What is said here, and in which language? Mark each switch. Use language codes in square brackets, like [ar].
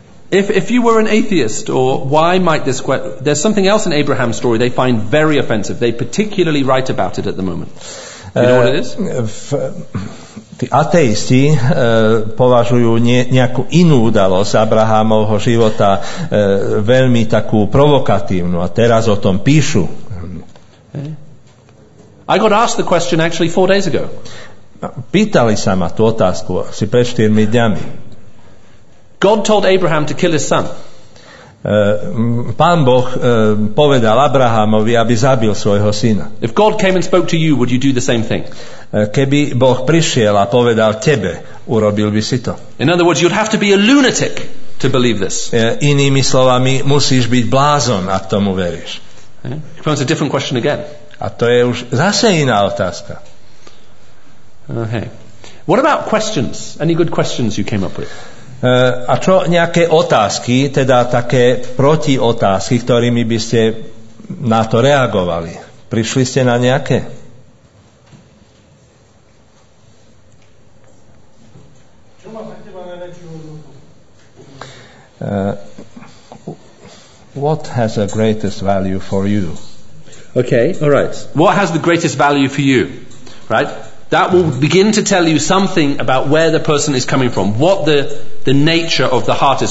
[en] If you were an atheist, or why might this question? There's something else in Abraham's story they find very offensive. They particularly write about it at the moment. You know what it is? [sk] Tí ateisti považujú nejakú inú udalosť Abrahamovho života veľmi takú provokatívnu a teraz o tom píšu. [en] I got asked the question actually 4 days ago. [sk] Pýtali sa ma tú otázku asi pred 4 dňami. [en] God told Abraham to kill his son. [sk] Pán Boh povedal Abrahamovi, aby zabil svojho syna. [en] If God came and spoke to you, would you do the same thing? [sk] Keby Boh prišiel a povedal tebe, urobil by si to. [en] In other words, you'd have to be a lunatic to believe this. [sk] Inými slovami, musíš byť blázon, ak tomu veríš. [en] It becomes a different question again. [sk] A to je už zase iná otázka. [en] Okay. What about questions? Any good questions you came up with? [sk] A čo nejaké otázky, teda také protiotázky, ktorými by ste na to reagovali? Prišli ste na nejaké? Čo má pre teba najväčšiu hodnotu? [en] What has the greatest value for you? Okay, all right. What has the greatest value for you? Right? That will begin to tell you something about where the person is coming from, what the nature of the heart is.